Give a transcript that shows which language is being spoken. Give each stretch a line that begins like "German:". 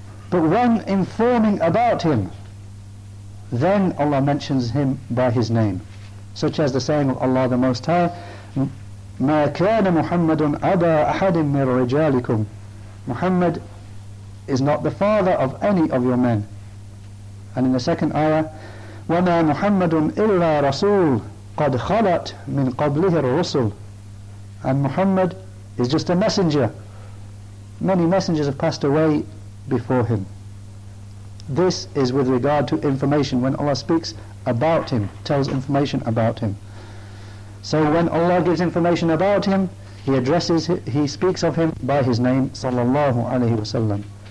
English: But when informing about him, then Allah mentions him by his name, such as the saying of Allah the Most High,
Arabic: مَا كَانَ مُحَمَّدٌ أَبَى أَحَدٍ مِنْ رِجَالِكُمْ.
English: Muhammad is not the father of any of your men. And in the second ayah,
Arabic: وَمَا مُحَمَّدٌ إِلَّا رَسُولٌ قَدْ خَلَتْ مِنْ قَبْلِهِ الرُّسُلُ.
English: And Muhammad is just a messenger. Many messengers have passed away before him. This is with regard to information. When Allah speaks about him, tells information about him. So when Allah gives information about him, he speaks of him by his name, sallallahu alaihi wasallam.